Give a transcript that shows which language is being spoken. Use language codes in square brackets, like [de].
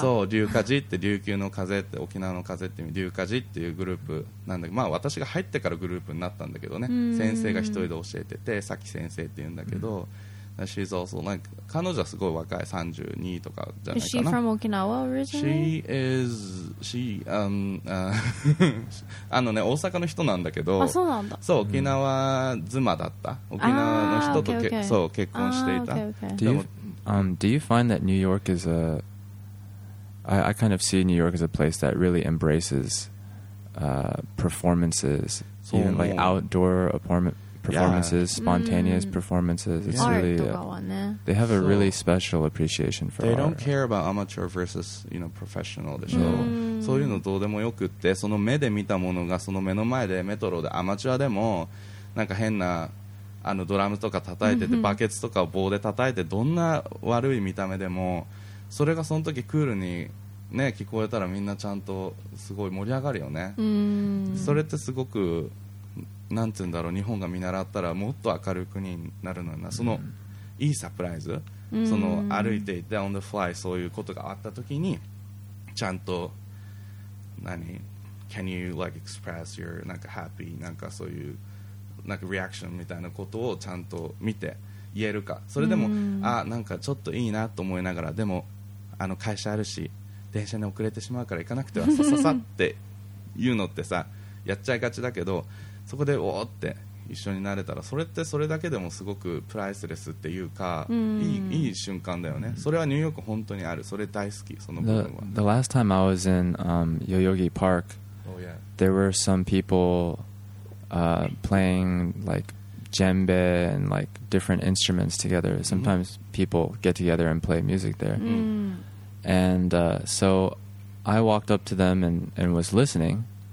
[ja] そう龍華寺って琉球の風って沖縄の風っていう龍華寺っていうグループなんだけど、まあ私が入ってからグループになったんだけどね、先生が一人で教えてて、さき先生っていうんだけど、 [en] She's also like, [ja] 彼女はすごい若い32とかじゃないかな。 [en] Is she from Okinawa originally? She is she, [ja] あのね大阪の人なんだけど、あそうなんだ、そう沖縄妻だった、沖縄の人と、 [en] okay, okay. [ja] そう結婚していた、 [en] okay, okay. Do you find that New York is a I kind of see New York as a place that really embraces performances, even like outdoor performances, yeah. spontaneous performances. It's yeah. really yeah. they have a so, really special appreciation for. They art. Don't care about amateur versus you know professional. [ja] でしょ。そういうのどうでもよくって、その目で見たものがその目の前でメトロでアマチュアでもなんか変なあのドラムとか叩いててバケツとか棒で叩いてどんな悪い見た目でもそれがその時クールに。ね、聞こえたらみんなちゃんとすごい盛り上がるよね。それってすごくなんて言うんだろう、日本が見習ったらもっと明るい国になるのにな、そのいいサプライズ、その歩いていてオンザフライそういうことがあった時にちゃんと何 [en] Can you like express your [ja] なんか happy なんかそういうなんかリアクションみたいなことをちゃんと見て言えるか、それでもあなんかちょっといいなと思いながらでもあの会社あるし電車に遅れてしまうから行かなくてはさささって言うのってさやっちゃいがちだけど、そこでおーって一緒になれたらそれってそれだけでもすごくプライスレスっていうか、いい瞬間だよね。それはニューヨーク本当にある、それ大好き、その部分は。 [en] The last time I was in Yoyogi Park、 oh, yeah. there were some people playing like djembe and like different instruments together. Sometimes people get together and play music there. And so I walked up to them and was listening.